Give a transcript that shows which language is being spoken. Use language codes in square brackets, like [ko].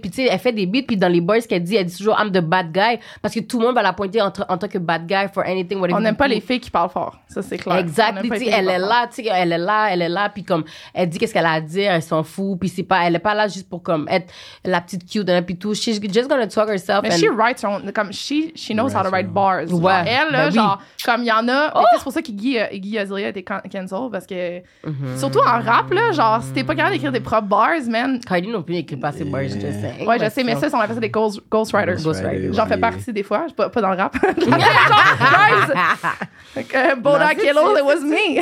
[fr] Puis tu sais, elle fait des beats. Puis dans les boys, qu'elle dit, elle dit toujours « [en] I'm the bad guy ». [fr] Parce que tout le monde va la pointer en tant que [en] bad guy for anything. [fr] On n'aime pas les filles qui parlent fort. Ça, c'est clair. Exact. Elle dit, elle est là, tu sais, elle est là, elle est là. Puis comme, elle dit qu'est-ce qu'elle a à dire, elle s'en fout. Puis c'est pas, elle est pas là juste pour comme être la petite cute. Hein, puis tout. [en] She's just gonna talk herself. [fr] Mais [en] and... she writes, on, comme, she knows how to write bars. [fr] Ouais. Ouais. Elle, là, ben genre, oui. Comme il y en a. Oh! C'est pour ça que Guy Azuria a été cancel. Parce que, surtout en rap, là, genre, si t'es pas capable d'écrire tes propres bars, man. Kylie n'a plus écrit pas ses bars, je sais. Ouais, je sais, mais ça, on appelle ça des ghostwriters. Ghostwriters. J'en fais partie des fois, pas dans le rap. [en] Guys! Bona Kilo, it was me.